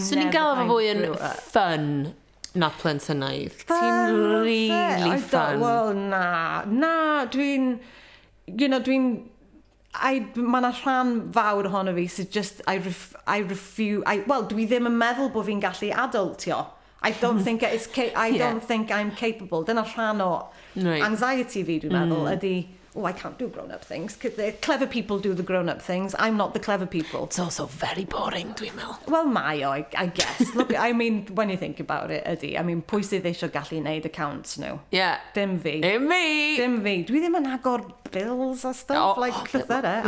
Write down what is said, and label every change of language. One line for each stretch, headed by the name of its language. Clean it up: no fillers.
Welsh: so ni'n gael efo fwy yn ffyn na blentynnaidd. Ti'n really ffyn. Wel, na. Na, dwi'n... You know, dwi'n... Mae yna rhan fawr ohono fi sydd just...
English: I refuse...
Welsh: Wel, dwi ddim yn meddwl bod fi'n gallu adultio.
English: I don't think it's I don't think I'm capable.
Welsh: Dyna rhan o anxiety fi, dwi'n meddwl, ydy...
English: Oh, I can't do grown-up things. The clever people do the grown-up things. I'm not the clever people. It's also very boring,
Welsh: dwi'n meddwl.
English: Well, my, I guess. Look, I mean, when you think about it,
Welsh: ydy.
English: I mean,
Welsh: pwy sydd eisiau gallu neud accounts nhw? Yeah. Dim fi. Dim me. Dim fi. Dwi ddim yn agor bills a stuff, like, llythyrau.